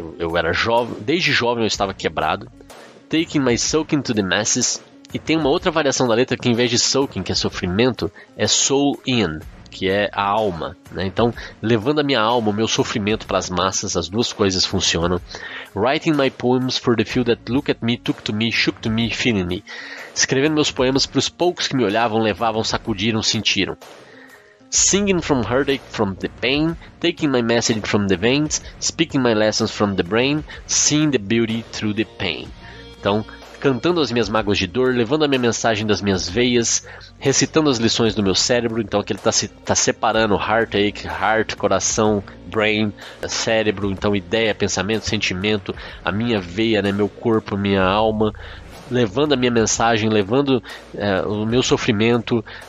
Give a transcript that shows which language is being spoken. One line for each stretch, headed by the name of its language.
Portuguese: Eu era jovem, desde jovem eu estava quebrado.
English: Taking my soaking to the masses.
Portuguese: E tem uma outra variação da letra que, em vez de soaking, que é sofrimento, é soul in, que é a alma, né? Então, levando a minha alma, o meu sofrimento para as massas, as duas coisas funcionam.
English: Writing my poems for the few that look at me, took to me, shook to me, feeling me.
Portuguese: Escrevendo meus poemas para os poucos que me olhavam, levavam, sacudiram, sentiram.
English: Singing from heartache, from the pain, taking my message from the veins, speaking my lessons from the brain, seeing the beauty through the pain.
Portuguese: Então, cantando as minhas mágoas de dor, levando a minha mensagem das minhas veias, recitando as lições do meu cérebro. Então, aqui ele tá separando heartache, heart, coração, brain, cérebro, então ideia, pensamento, sentimento, a minha veia, né, meu corpo, minha alma, levando a minha mensagem, levando o meu sofrimento.